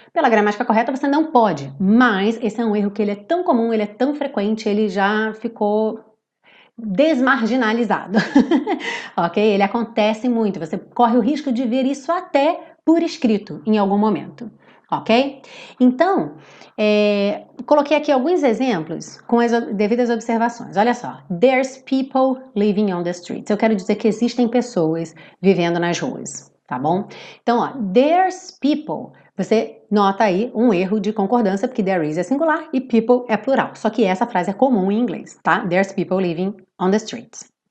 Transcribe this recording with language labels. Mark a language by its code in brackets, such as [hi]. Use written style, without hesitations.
[pt] Pela gramática correta, você não pode. Mas esse é um erro que ele é tão comum, ele é tão frequente, ele já ficou desmarginalizado. Ok? Ele acontece muito. Você corre o risco de ver isso até por escrito em algum momento. Ok? Então, coloquei aqui alguns exemplos com as devidas observações. Olha só. [en] There's people living on the streets. [pt] Eu quero dizer que existem pessoas vivendo nas ruas, tá bom? Então, ó, [en] there's people. [pt] Você nota aí um erro de concordância, porque there is é singular e people é plural. Só que essa frase é comum em inglês, tá? [en] There's people living on the streets.